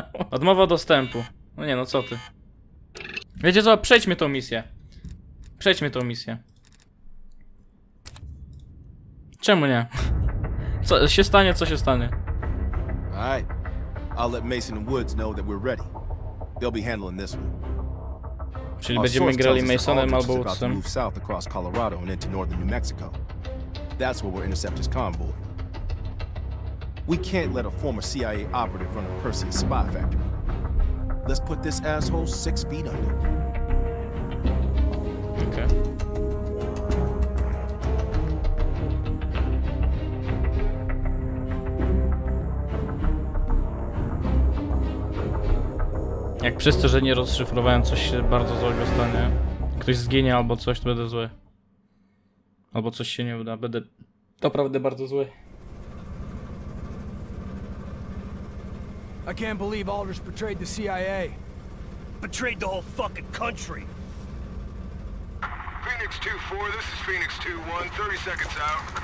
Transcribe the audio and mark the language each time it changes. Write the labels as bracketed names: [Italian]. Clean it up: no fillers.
[Polish] Odmowa dostępu. No nie, no co ty. Wiecie co, przejdźmy tą misję. Przejdźmy tą misję. Czemu nie? Co się stanie, co się stanie? [English] Alright. I'll let Mason and Woods know that we're ready. They'll be handling this one. [Polish] Czyli będziemy grali Masonem albo Woodsem. [English] Move south across Colorado and into northern New Mexico. That's where we'll intercept his convoy. We can't let a former CIA operative run a Perseus spy factory. Let's put this asshole 6 feet under. Okay. [Polish] Jak przez to, że nie rozszyfrowałem, coś się bardzo złego stanie. Ktoś zginie albo coś, to będę zły. Albo coś się nie uda, będę naprawdę bardzo zły. [English] I can't believe Aldrich betrayed the CIA. Betrayed the whole fucking country. Phoenix 2-4, this is Phoenix 2-1, 30 seconds out.